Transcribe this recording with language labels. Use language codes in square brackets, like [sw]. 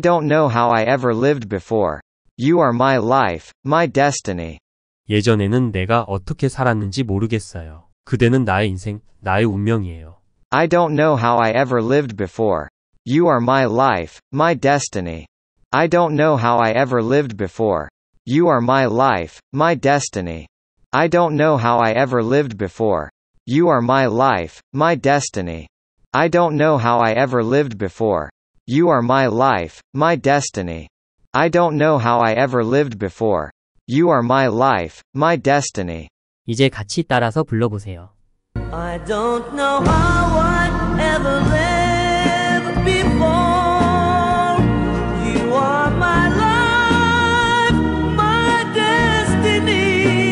[en] don't know how I ever lived before. You are my life, my destiny. [ko] 예전에는 내가 어떻게 살았는지 모르겠어요. 그대는 나의 인생, 나의 운명이에요. [en] I don't know how I ever lived before. You are my life, my destiny. I don't know how I ever lived before. You are my life, my destiny. I don't know how I ever lived before. You are my life, my destiny. I don't know how I ever lived before. You are my life, my destiny. I don't know how I ever lived before. You are my life, my destiny. [ko] 이제 같이 따라서 불러보세요. [en] I don't know how I ever lived before. You are my life, my destiny.